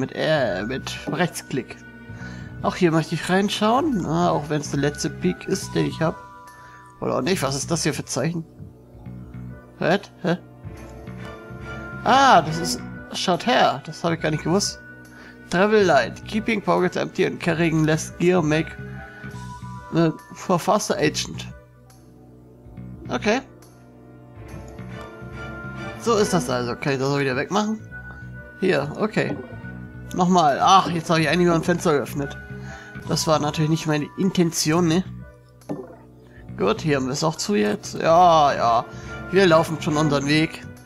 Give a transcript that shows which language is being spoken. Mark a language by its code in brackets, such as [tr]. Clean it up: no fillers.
[de] Mit Rechtsklick. Auch hier möchte ich reinschauen. Auch wenn es der letzte Peak ist, den ich habe. Oder auch nicht, was ist das hier für Zeichen? Red? Hä? Ah, das ist... Schaut her, das habe ich gar nicht gewusst. [en] Travel Light, keeping pockets empty and carrying less gear make for faster agent. Okay. [de] So ist das also. Kann ich das auch wieder wegmachen? Hier, okay. Nochmal. Ach, jetzt habe ich eigentlich mal ein Fenster geöffnet. Das war natürlich nicht meine Intention, ne? Gut, hier haben wir es auch zu jetzt. Ja, ja. Wir laufen schon unseren Weg.